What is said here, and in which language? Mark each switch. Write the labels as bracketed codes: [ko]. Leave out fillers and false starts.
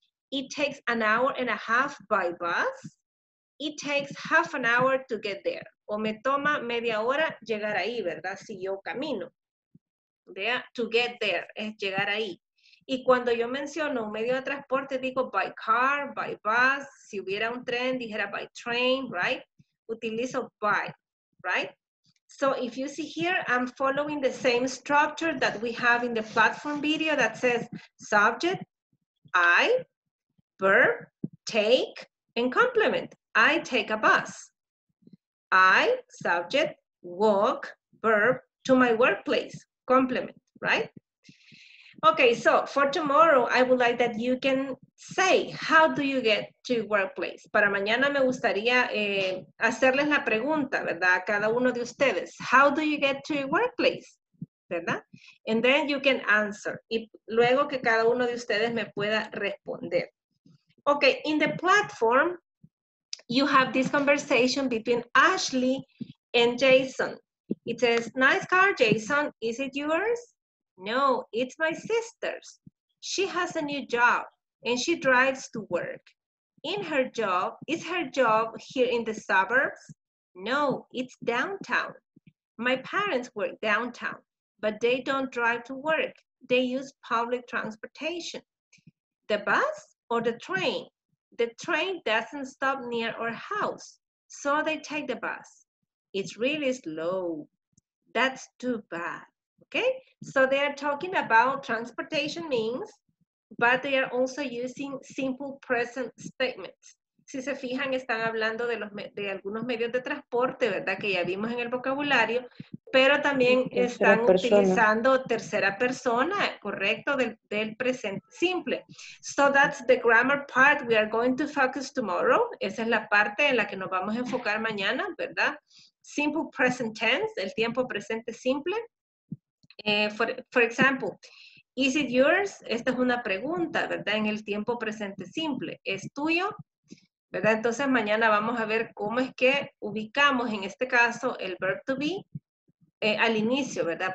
[en] It takes an hour and a half by bus. It takes half an hour to get there. [es] O me toma media hora llegar ahí, ¿verdad? Si yo camino. ¿Vea? [en] To get there, [es] es llegar ahí. Y cuando yo menciono un medio de transporte, digo [en] by car, by bus. [es] Si hubiera un tren, dijera [en] by train, right? [es] Utilizo by, right? [en] So if you see here, I'm following the same structure that we have in the platform video that says subject, I, verb, take, and complement. I take a bus. I, subject, walk, verb, to my workplace. Complement, right? Okay, so for tomorrow, I would like that you can say, how do you get to your workplace? [es] Para mañana me gustaría hacerles la pregunta, ¿verdad? A cada uno de ustedes. [en] How do you get to your workplace? ¿Verdad? And then you can answer. [es] Y luego que cada uno de ustedes me pueda responder. [en] Okay, in the platform, you have this conversation between Ashley and Jason. It says, nice car, Jason. Is it yours? No, it's my sister's. She has a new job and she drives to work. In her job, is her job here in the suburbs? No, it's downtown. My parents work downtown, but they don't drive to work. They use public transportation. The bus? Or the train. The train doesn't stop near our house, so they take the bus. It's really slow. That's too bad. Okay? So they are talking about transportation means, but they are also using simple present statements. [es] Si se fijan, están hablando de los de algunos medios de transporte, ¿verdad? Que ya vimos en el vocabulario, pero también están utilizando tercera persona, correcto, del presente simple. [en] So that's the grammar part we are going to focus tomorrow. [es] Esa es la parte en la que nos vamos a enfocar mañana, ¿verdad? [en] Simple present tense, [es] el tiempo presente simple. [en] For example, is it yours? [es] Esta es una pregunta, ¿verdad? En el tiempo presente simple. ¿Es tuyo? ¿Verdad? Entonces mañana vamos a ver cómo es que ubicamos en este caso el verb to be al inicio, ¿verdad?